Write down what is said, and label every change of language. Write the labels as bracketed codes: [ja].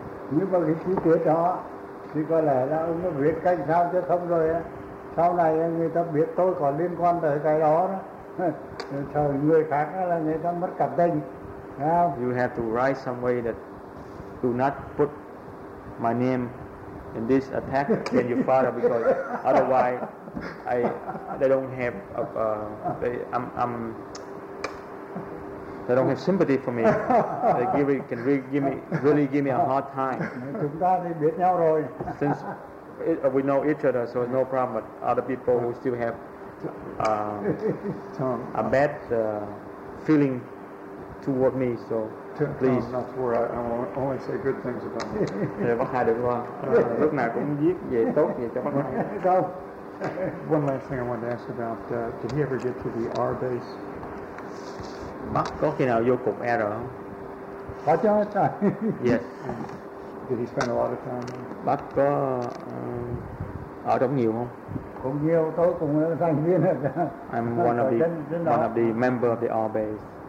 [vi] Nhưng mà cái chi tiết đó thì có lẽ là ông đã biết cách sao chứ không rồi á. Sau này người ta biết tôi có liên quan tới cái đó đó. Sợ người khác là người ta mất cảm tình. [en] You have to write some way that do not put my name in this attack against your father, because otherwise they don't have sympathy for me. They can really give me a hard time. [vi] Chúng ta thì biết nhau rồi. [en] Since we know each other, so no problem. But other people who still have a bad feeling toward me, so please. Tom, that's where I only say good things about me. [vi] Bác Hai đừng lo. Lúc nào cũng viết về tốt về cho bác Hai. [en] One last thing I wanted to ask about: did he ever get to the R base? [vi] Bác có khi nào vô cục R không? Có chứ. [en] Yes. Did he spend a lot of time? [vi] Bác có ở trong nhiều không? Cũng nhiều. Tôi cũng là thành viên. [en] I'm one of the member of the R base.